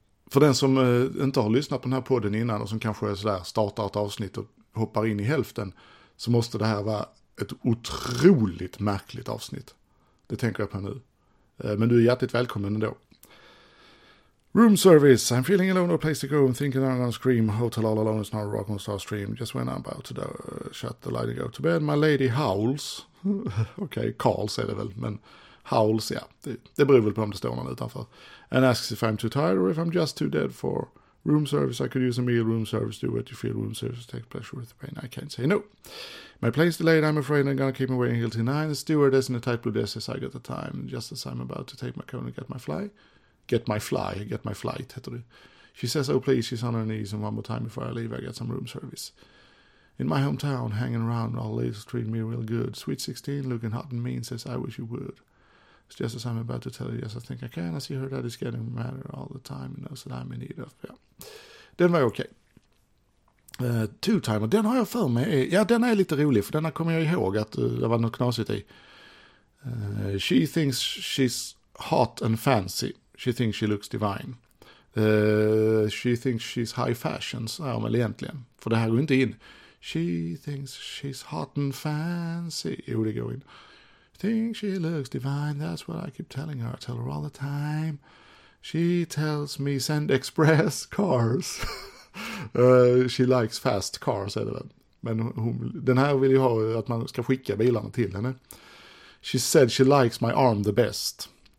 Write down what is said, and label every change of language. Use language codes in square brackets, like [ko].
[sv] För den som inte har lyssnat på den här podden innan och som kanske är sådär, startar ett avsnitt och hoppar in i hälften, så måste det här vara ett otroligt märkligt avsnitt. Det tänker jag på nu. Men du är hjärtligt välkommen ändå. [en] Room service, I'm feeling alone, no place to go, I'm thinking I'm gonna scream, hotel all alone, it's not a rock and star stream, just when I'm about to shut the light and go to bed, my lady howls, okay, [sv] calls är det väl, men howls, ja, det beror väl på om det står någon utanför, [en] and asks if I'm too tired or if I'm just too dead for room service, I could use a meal, room service, do what you feel, room service, take pleasure with the pain, I can't say no. My plane's delayed, I'm afraid I'm gonna keep me waiting until 9, the stewardess in a tight blue desk as I got the time, just as I'm about to take my coat and get my flight, [sv] heter det. [en] She says, oh please, she's on her knees, and one more time before I leave, I get some room service. In my hometown, hanging around, all ladies treat me real good. Sweet 16, looking hot and mean, says, I wish you would. It's just as I'm about to tell you, yes, I think I can. I see her daddy's getting madder all the time, and knows that I'm in need of, yeah. [sv] Den var okej. Two timer, den har jag för mig. Ja, den är lite rolig, för den kommer jag ihåg att det var något knasigt i. [en] She thinks she's hot and fancy. She thinks she looks divine. She thinks she's high fashion. [sv] Så, ja, men egentligen. För det här går inte in. [en] She thinks she's hot and fancy. [sv] Jo, det går in. [en] Think she looks divine. That's what I keep telling her. I tell her all the time. She tells me send express cars. she likes fast cars, [sv] eller vad? Men hon, den här vill ju ha att man ska skicka bilarna till henne. [en] She said she likes my arm the best.